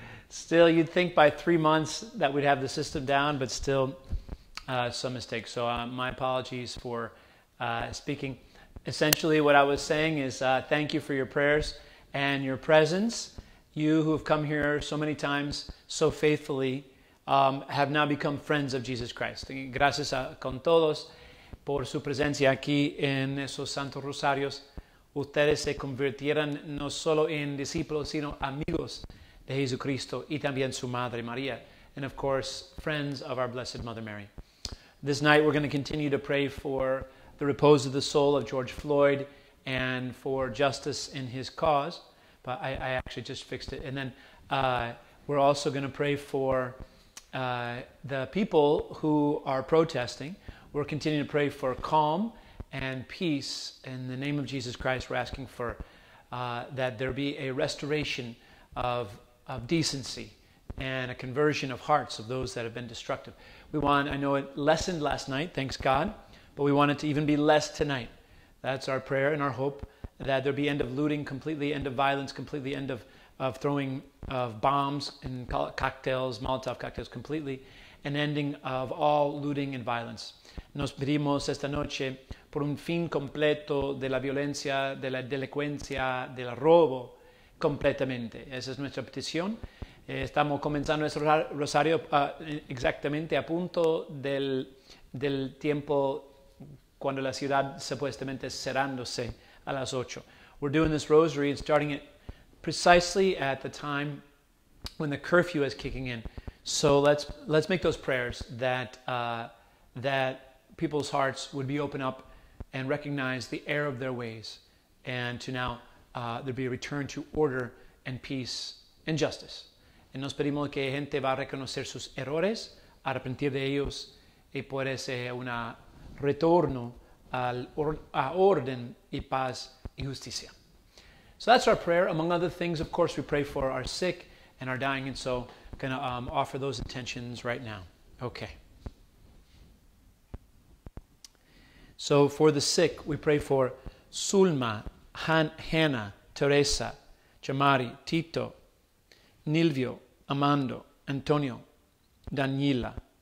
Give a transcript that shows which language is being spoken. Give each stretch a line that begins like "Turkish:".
English: Still, you'd think by 3 months that we'd have the system down, but still some mistakes. So my apologies for speaking. Essentially, what I was saying is thank you for your prayers and your presence. You who have come here so many times, so faithfully, have now become friends of Jesus Christ.
Spanish: Gracias a con todos por su presencia aquí en esos Santos Rosarios. Ustedes se convirtieron no solo en discípulos, sino amigos de Jesucristo y también su madre María.
English: And of course, friends of our Blessed Mother Mary. This night we're going to continue to pray for the repose of the soul of George Floyd and for justice in his cause. But I actually just fixed it. And then we're also going to pray for the people who are protesting. We're continuing to pray for calm and peace. In the name of Jesus Christ, we're asking for that there be a restoration of decency and a conversion of hearts of those that have been destructive. I know it lessened last night, thanks God, but we want it to even be less tonight. That's our prayer and our hope, that there be end of looting completely, end of violence completely, end of throwing of bombs and cocktails, Molotov cocktails completely, an ending of all looting and violence.
Spanish: Nos pedimos esta noche por un fin completo de la violencia, de la delincuencia, del robo, completamente. Esa es nuestra petición. Estamos comenzando nuestro rosario exactamente a punto del tiempo cuando la ciudad supuestamente cerrándose a las 8.
English: We're doing this rosary and starting it precisely at the time when the curfew is kicking in. So let's make those prayers that that people's hearts would be open up and recognize the error of their ways, and to now there'd be a return to order and peace and justice.
Spanish: Y nos pedimos que gente va a reconocer sus errores, arrepentir de ellos, y puede ser un retorno a orden y paz y justicia.
English: So that's our prayer. Among other things, of course, we pray for our sick and our dying, and so going to offer those intentions right now. Okay. So for the sick, we pray for Sulma, Hannah, Teresa, Jamari, Tito, Nilvio, Amando, Antonio, Daniela,